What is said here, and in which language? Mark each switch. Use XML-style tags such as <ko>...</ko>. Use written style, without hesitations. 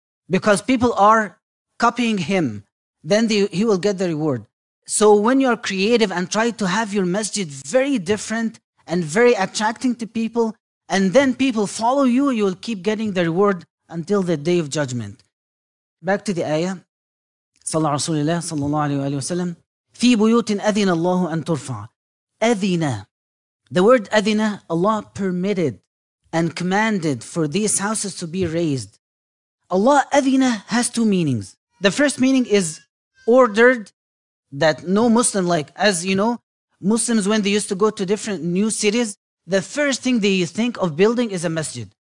<en>Because people are copying him, then he will get the reward. So when you are creative and try to have your masjid very different and very attracting to people, and then people follow you, you will keep getting the reward until the day of judgment. Back to the ayah.</en> <ar>صلى رسول الله صلى الله عليه وسلم في بيوت أذن الله أن ترفع أذن.</ar> <en>The word أذن, Allah permitted and commanded for these houses to be raised. Allah أذن has two meanings. The first meaning is ordered, that no Muslim, like, as you know, Muslims, when they used to go to different new cities, the first thing they think of building is a masjid.</en>